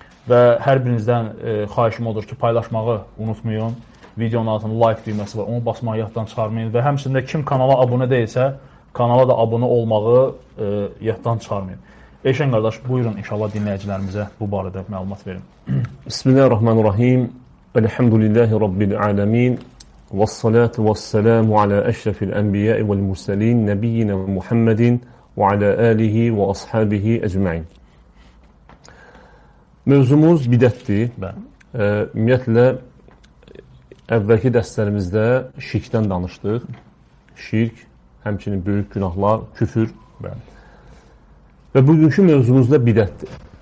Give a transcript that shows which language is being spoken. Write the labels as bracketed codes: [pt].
[az] Və hər birinizdən xahişim odur ki, paylaşmağı unutmayın, videonun altında like düyməsi var, onu basmağı yaddan çıxarmayın və həmçində kim kanala abunə deyilsə, kanala da abunə olmağı yaddan çıxarmayın. Eşən qardaş, buyurun inşallah dinləyicilərimizə bu barədə məlumat verin. [ar] Bismillahirrahmanirrahim, elhamdülillahi rabbil aləmin. والصلاة والسلام على أشرف الأنبياء والمرسلين نبينا محمد وعلى آله وأصحابه أجمعين. [az] موضوعumuz bidətdir. Ümumiyyətlə əvvəlki dərslərimizdə şirkdən danışdıq. Şirk, həmçinin böyük günahlar, küfür. Və bugünkü mövzumuz da bidətdir.